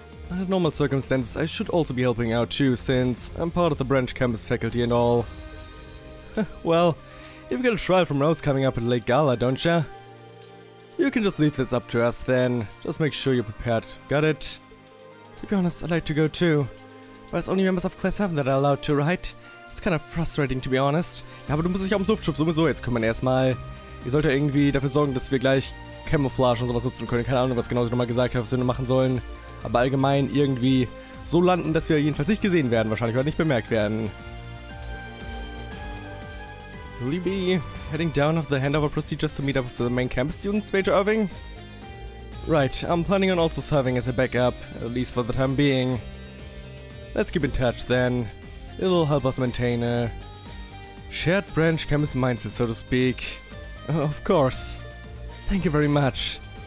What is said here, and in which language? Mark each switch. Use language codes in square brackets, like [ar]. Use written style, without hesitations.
[en] Under normal circumstances, I should also be helping out too, since I'm part of the branch campus faculty and all. Well, you've got a trial from Rose coming up at Lake Gala, don't ya? You can just leave this up to us then. Just make sure you're prepared. Got it? To be honest, I'd like to go too. But it's only members of Class 7 that are allowed to, right? It's kind of frustrating, to be honest. [de] Ja, aber du musst dich auch ums Luftschiff sowieso jetzt kümmern erstmal. Ihr solltet irgendwie dafür sorgen, dass wir gleich Camouflage und sowas nutzen können. Keine Ahnung, was genau sie nochmal gesagt hat, was wir machen sollen. Aber allgemein irgendwie so landen, dass wir jedenfalls nicht gesehen werden, wahrscheinlich, oder nicht bemerkt werden. [en] Will you be heading down of the handover procedures to meet up with the main campus students, Major Irving? Right, I'm planning on also serving as a backup, at least for the time being. Let's keep in touch then. It'll help us maintain a shared branch campus mindset, so to speak. Of course. Thank you very much.